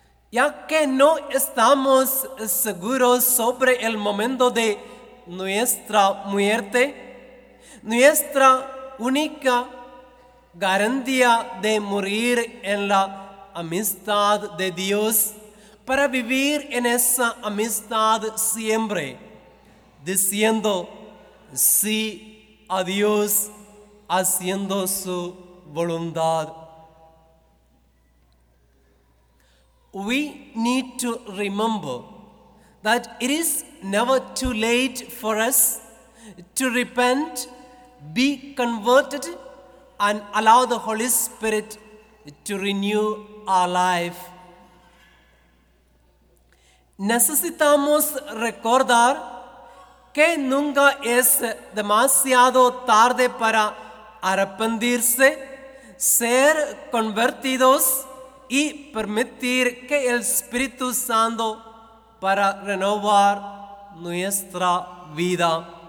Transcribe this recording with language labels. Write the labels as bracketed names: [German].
[Spanish] Ya que no estamos seguros sobre el momento de nuestra muerte, nuestra única garantía de morir en la amistad de Dios para vivir en esa amistad siempre, diciendo sí a Dios, haciendo su voluntad. [English] We need to remember that it is never too late for us to repent, be converted, and allow the Holy Spirit to renew our life. [Spanish] Necesitamos recordar que nunca es demasiado tarde para arrepentirse, ser convertidos y permitir que el Espíritu Santo para renovar nuestra vida.